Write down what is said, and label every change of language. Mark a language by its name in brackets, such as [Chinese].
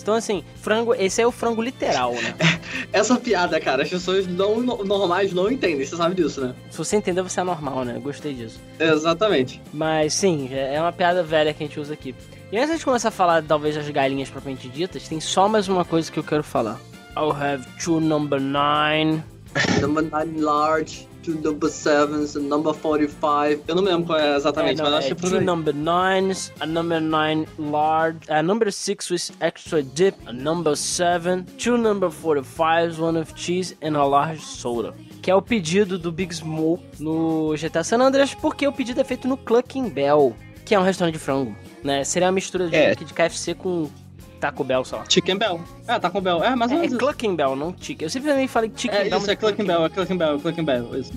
[Portuguese] Então, assim, frango, esse é o frango literal, né? Essa piada, cara, as pessoas não, normais não entendem, você sabe disso, né? Se você entender, você é normal, né? Eu gostei disso. Exatamente. Mas, sim, é uma piada velha que a gente usa aqui. E antes de começar a falar, talvez, das galinhas propriamente ditas, tem só mais uma coisa que eu quero falar. [English] I'll have two number nine. Number nine large. Number 7s, number 45. [Portuguese] Eu não me lembro qual é exatamente, mas acho que é por aí. [English] Number 9s, a number 9 large, a number 6 with extra dip, a number 7, two number 45s, one of cheese and a large soda. [Portuguese] Que é o pedido do Big Smoke no GTA San Andreas, porque o pedido é feito no Clucking Bell, que é um restaurante de frango, né? Seria uma mistura de KFC com Taco Bell só. Chicken Bell. É, Taco Bell. É, mas é Clucking Bell, não Chicken. Eu sempre também falei Chicken Bell. É isso, é Clucking Bell, isso.